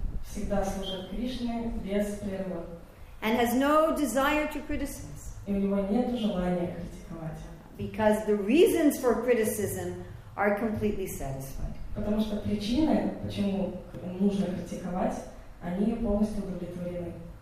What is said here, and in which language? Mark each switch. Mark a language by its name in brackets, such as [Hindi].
[Russian] Всегда служит Кришне без прерва. [English] And has no desire to criticize. [Russian] И у него нет желания критиковать. [English] Because the reasons for criticism are completely satisfied. [Russian] Потому что причины, почему нужно критиковать, они полностью удовлетворены.